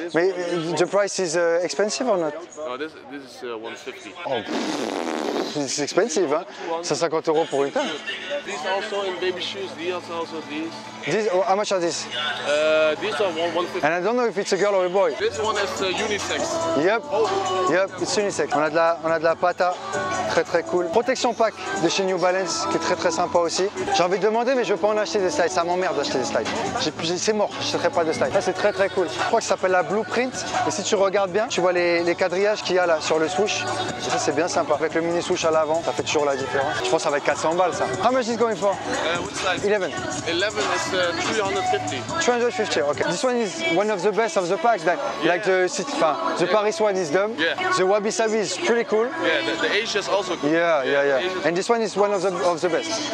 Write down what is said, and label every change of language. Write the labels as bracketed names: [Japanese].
[English] But the price is expensive or not? No, this is 150. [French] Oh. C'est expensive, hein? 150 € pour une paire. [English] These also in baby shoes, these also these. These, how much are these? These are 150. And I don't know if it's a girl or a boy. This one is unisex. Yep. Yep, it's unisex. [French] On a de la Pata, très très cool. Protection pack de chez New Balance, qui est très très sympa aussi. J'ai envie de demander, mais je veux pas en acheter des slides. Ça m'emmerde d'acheter des slides. C'est mort, je n'achèterai pas de slides. Ça, c'est très très cool. Je crois que ça s'appelle la Blueprint. Et si tu regardes bien, tu vois les quadrillages qu'il y a là sur le swoosh. Et ça, c'est bien sympa. Avec le mini souche à l'avant, ça fait toujours la différence. Je pense que ça va être 400 balles, ça. [English] How much is going for? Which size? 11. 11 is 350. 350, okay. This one is one of the best of the packs, then. Yeah. Like the city, fin, the yeah. Paris one is dumb. Yeah. The Wabi Sabi is pretty cool. Yeah, the Asia is also cool. Yeah. Asia's... And this one is one of the best,